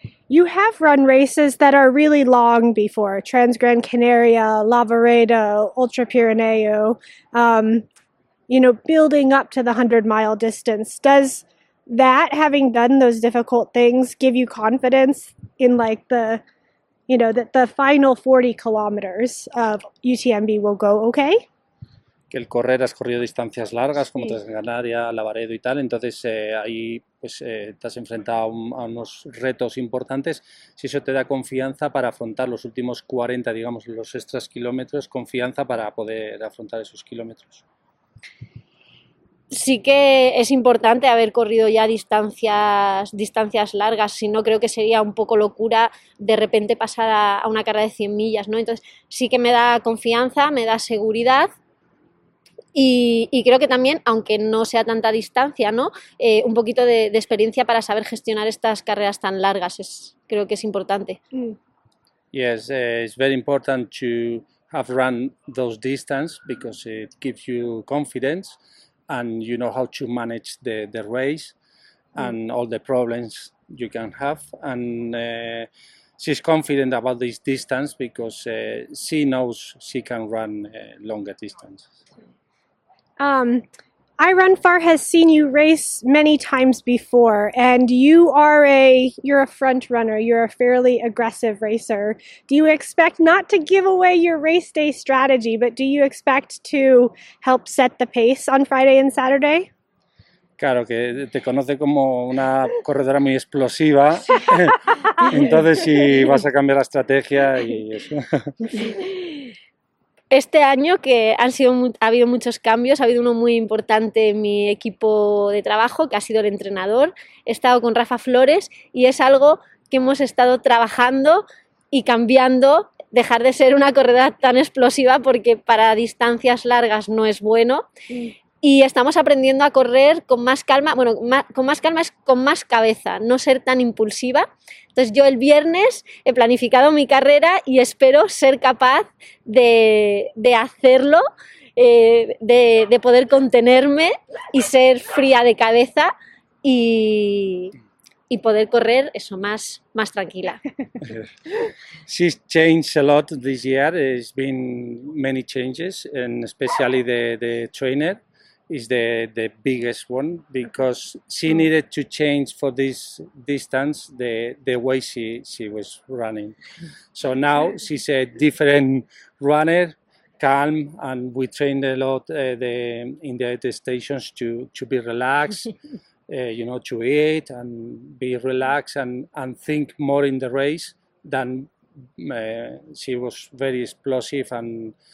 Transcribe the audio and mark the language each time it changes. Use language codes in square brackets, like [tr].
[en] You have run races that are really long before, Trans-Gran Canaria, Lavaredo, Ultra Pirineo, you know, building up to the 100-mile distance. Does that, having done those difficult things, give you confidence in like the, you know, that the final 40 kilometers of UTMB will go okay? [es] Que el correr has corrido distancias largas como Gran Canaria, Lavaredo y tal, entonces ahí pues te has enfrentado a unos retos importantes. Si eso te da confianza para afrontar los últimos 40, digamos, los extras kilómetros, confianza para poder afrontar esos kilómetros. Sí que es importante haber corrido ya distancias largas, si no creo que sería un poco locura de repente pasar a una carrera de 100 millas, ¿no? Entonces sí que me da confianza, me da seguridad. Y creo que también, aunque no sea tanta distancia, ¿no? Un poquito de experiencia para saber gestionar estas carreras tan largas, creo que es importante. [en] Yes, it's very important to have run those distance because it gives you confidence and you know how to manage the race and all the problems you can have. And she's confident about this distance because she knows she can run longer distance. I Run Far has seen you race many times before, and you're a front runner, you're a fairly aggressive racer. Do you expect not to give away your race day strategy, but do you expect to help set the pace on Friday and Saturday? [es] Claro, que te conoce como una corredora muy explosiva, entonces si vas a cambiar la estrategia y eso. Este año que ha habido muchos cambios, ha habido uno muy importante en mi equipo de trabajo, que ha sido el entrenador. He estado con Rafa Flores y es algo que hemos estado trabajando y cambiando, dejar de ser una corredora tan explosiva porque para distancias largas no es bueno. Y estamos aprendiendo a correr con más calma, bueno, con más calma es con más cabeza, no ser tan impulsiva. Entonces yo el viernes he planificado mi carrera y espero ser capaz de hacerlo, de poder contenerme y ser fría de cabeza y poder correr eso más tranquila. [en] She's changed a lot this year. It's been many changes, and especially the trainer is the biggest one, because she needed to change for this distance the way she was running. So now she's a different runner, calm, and we trained a lot in the stations to be relaxed, you know, to eat and be relaxed and think more in the race than she was very explosive and